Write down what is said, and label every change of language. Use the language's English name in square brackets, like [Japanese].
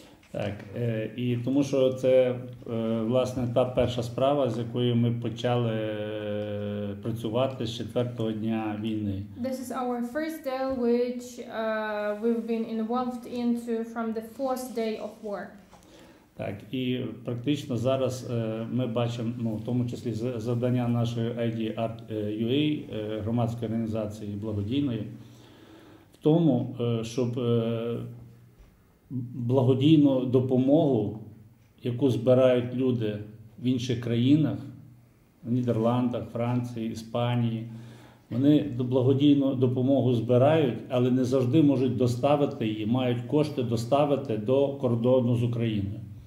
[Ukrainian] Так, і тому що це власне та перша справа, з якою ми почали працювати з 4-го дня війни. [English] This is our first deal which we've been involved into from the 4th day of war. [Ukrainian] Так, і практично зараз ми бачимо, ну, в тому числі завдання нашої ID Art UA, громадської організації благодійної, в тому, щоб благодійну допомогу, яку збирають люди в інших країнах, в Нідерландах, Франції, Іспанії, вони благодійну допомогу збирають, але не завжди можуть доставити її, мають кошти доставити до кордону з Україною.